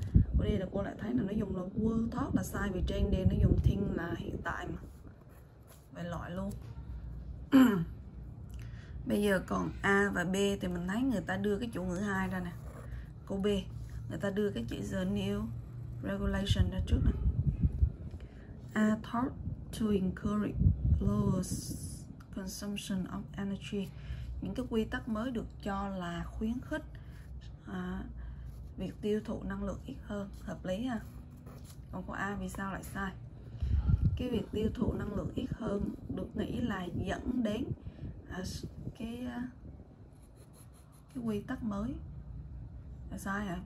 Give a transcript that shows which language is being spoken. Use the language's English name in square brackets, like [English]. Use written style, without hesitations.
[Vietnamese] Câu D là cô lại thấy là nó dùng là [English] world thought [Vietnamese] là sai, vì trên D nó dùng thing là hiện tại mà. Vậy loại luôn. Bây giờ còn A và B thì mình thấy người ta đưa cái chủ ngữ 2 ra nè. Câu B, người ta đưa cái chữ [English] the new regulation [Vietnamese] ra trước nè. [English] A thought to encourage lower consumption of energy. [Vietnamese] Những cái quy tắc mới được cho là khuyến khích việc tiêu thụ năng lượng ít hơn, hợp lý ha. Còn câu A vì sao lại sai? Cái việc tiêu thụ năng lượng ít hơn được nghĩ là dẫn đến cái quy tắc mới là sai hả?